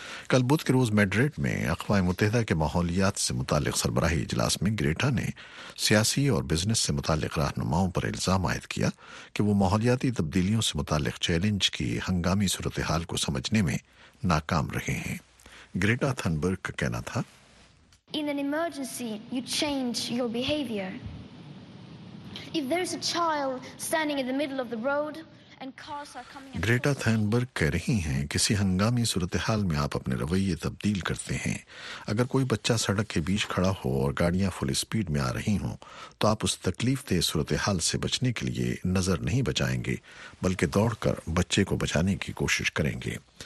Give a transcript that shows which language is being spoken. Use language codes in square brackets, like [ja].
[ur] کل بدھ کے روز میڈرڈ میں اقوام متحدہ کے ماحولیات سے متعلق سربراہی اجلاس میں گریٹا نے سیاسی اور بزنس سے متعلق رہنماؤں پر الزام عائد کیا کہ وہ ماحولیاتی تبدیلیوں سے متعلق چیلنج کی ہنگامی صورتحال کو سمجھنے میں ناکام رہے ہیں. گریٹا تھنبرگ کا کہنا تھا, [en] In an emergency, you change your behavior. If there's a child standing in the middle of the road, [ur] Greta Thunberg کہہ رہی ہیں, کسی ہنگامی صورتحال میں آپ اپنے رویے تبدیل کرتے ہیں. اگر کوئی بچہ سڑک کے بیچ کھڑا ہو اور گاڑیاں فل اسپیڈ میں آ رہی ہوں تو آپ اس تکلیف دہ صورتحال سے بچنے کے لیے نظر نہیں بچائیں گے, بلکہ دوڑ کر بچے کو بچانے کی کوشش کریں گے.